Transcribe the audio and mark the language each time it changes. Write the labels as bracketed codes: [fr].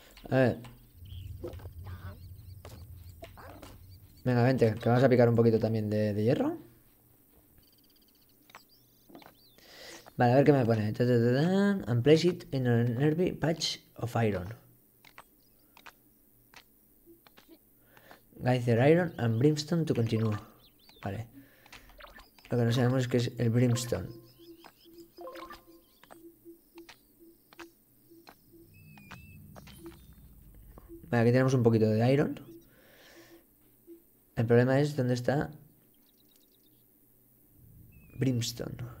[es] A ver. Venga, vente, que vamos a picar un poquito también de hierro. Vale, a ver qué me pone. [en] And place it in an early patch of iron. Gather iron and brimstone to continue. [es] Vale. Lo que no sabemos es qué es el brimstone. Vale, aquí tenemos un poquito de iron. El problema es dónde está brimstone.